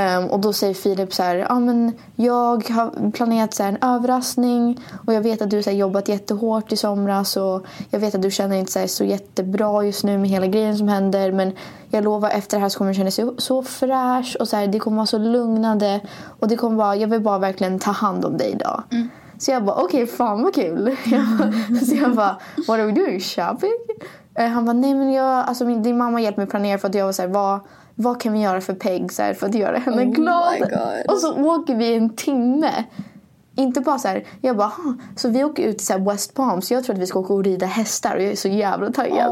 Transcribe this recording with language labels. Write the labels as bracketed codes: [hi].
[sv] Och då säger Filip så här, ah, men jag har planerat så här, en överraskning och jag vet att du har jobbat jättehårt i somras och jag vet att du känner inte så, här, så jättebra just nu med hela grejen som händer, men jag lovar efter det här så kommer du känna sig så fräsch och så här, det kommer vara så lugnande och det kommer vara, jag vill bara verkligen ta hand om dig idag. Mm. Så jag bara, okej, okay, fan vad kul. Så jag bara, [en] what are we doing shopping? [sv] Han bara, nej men jag, alltså din mamma hjälpte mig planera för att jag var så här, vad kan vi göra för Peg så här, för att göra henne glad? Och så åker vi en timme. Inte bara så här. Jag bara, så vi åker ut till så här West Palm. Så jag tror att vi ska åka och rida hästar. Och jag är så jävla taggad.